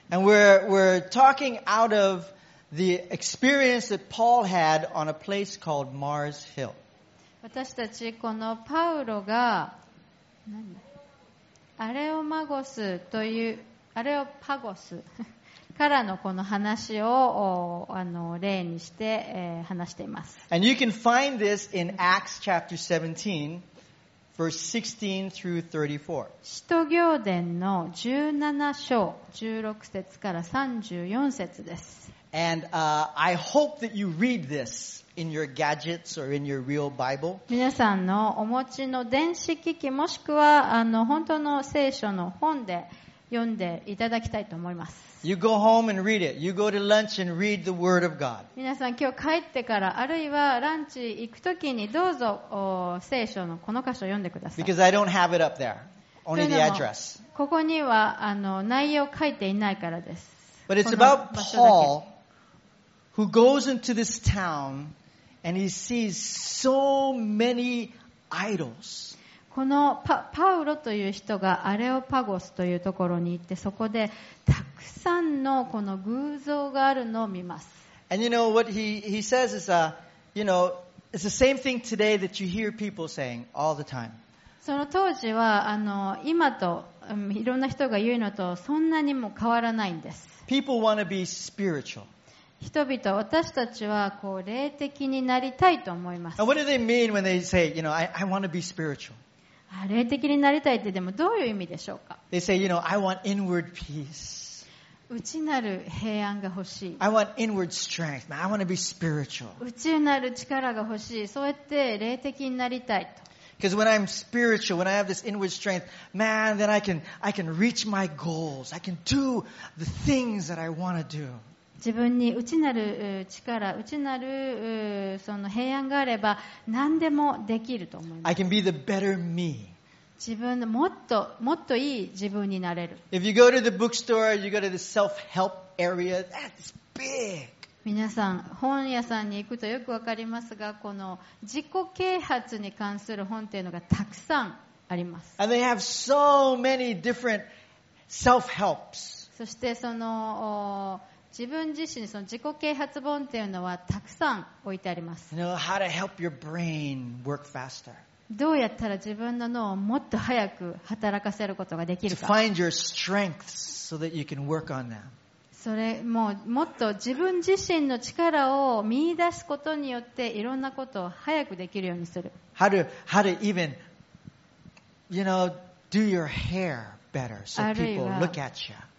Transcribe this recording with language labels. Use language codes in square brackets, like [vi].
[en] And we're talking out of the experience that Paul had on a place called Mars Hill. [ja] 私たちこのパウロが何アレオマゴスというアレオパゴス。からのこの話を例にして、話しています。 [en] And you can find this in Acts chapter 17, verse 16 through 34. [ja] 使徒行伝の17章16節から34節です。 [en] And, I hope that you read this in your gadgets or in your real Bible. [ja] 皆さんのお持ちの電子機器もしくは本当の聖書の本で読んでいただきたいと思います。 [en] You go home and read it. You go to lunch and read the Word of God. [ja] 皆さん今日帰ってからあるいはランチ行くときにどうぞ聖書のこの箇所を読んでください。 [en] Because I don't have it up there. Only the address. [ja] ここには内容を書いていないからです。 [en] But it's about Paul who goes into this town and he sees so many idols. [ja] このパウロという人がアレオパゴスというところに行ってそこでたくさんのこの偶像があるのを見ます。 [en] And you know what he says is, you know, it's the same thing today that you hear people saying all the time. [ja] その当時は今といろんな人が言うのとそんなにも変わらないんです。 [en] People want to be spiritual. [ja] 人々、私たちはこう霊的になりたいと思います。 [en] And what do they mean when they say, you know, I want to be spiritual? [ja] 霊的になりたいってでもどういう意味でしょうか? [en] They say, you know, I want inward peace. [ja] 内なる平安が欲しい。 [en] I want inward strength. I want to be spiritual. [ja] 内なる力が欲しい。そうやって霊的になりたいと。 [en] Because when I'm spiritual, when I have this inward strength, man, then I can reach my goals. I can do the things that I want to do. [ja] 自分に内なる力、内なるその平安があれば何でもできると思います。 [en] I can be the better me. [ja] 自分のもっといい自分になれる。 [en] If you go to the bookstore, you go to the self-help area, that's big. [ja] 皆さん本屋さんに行くとよくわかりますが、この自己啓発に関する本っていうのがたくさんあります。 [en] And they have so many different self-helps. [ja] そしてその自分自身その自己啓発本っていうのはたくさん置いてあります。 [en] You know, how to help your brain work faster. [ja] どうやったら自分の脳をもっと早く働かせることができるか。 [en] To find your strengths so that you can work on them. [ja] それもうもっと自分自身の力を見出すことによっていろんなことを早くできるようにする。 [en] How to even, you know, do your hair better so people look at you.